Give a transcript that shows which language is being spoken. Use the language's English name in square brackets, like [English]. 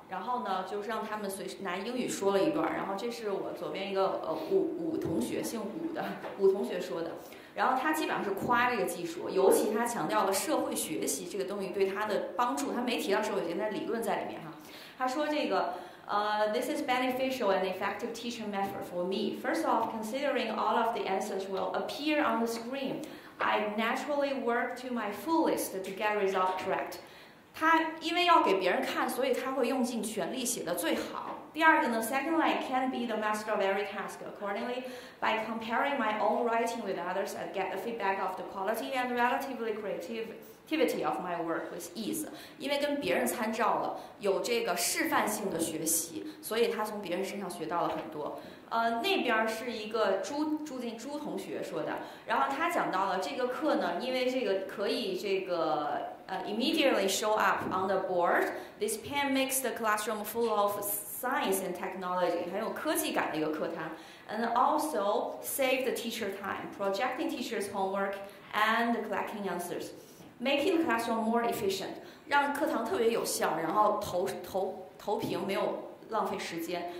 [Chinese] 然后呢，就是让他们随时拿英语说了一段。然后这是我左边一个武同学，姓武的武同学说的。然后他基本上是夸这个技术，尤其他强调了社会学习这个东西对他的帮助，他没提到社会学，但理论在里面哈。他说这个 [English] This is beneficial and effective teaching method for me. First off, considering all of the answers will appear on the screen, I naturally work to my fullest to get results correct. [Chinese] 他因为要给别人看，所以他会用尽全力写得最好。第二个呢 [English] ，secondly, I can be the master of every task. Accordingly, by comparing my own writing with others, I get the feedback of the quality and relatively creativity of my work with ease. [Chinese] 因为跟别人参照了，有这个示范性的学习，所以他从别人身上学到了很多。那边是一个朱同学说的，然后他讲到了这个课呢，因为这个可以这个。 [English] Immediately show up on the board. This pen makes the classroom full of science and technology, [Chinese] 很有科技感的一个课堂 [English] and also save the teacher time, projecting teacher's homework and collecting answers, making the classroom more efficient, [Chinese] 让课堂特别有效，然后投屏没有浪费时间。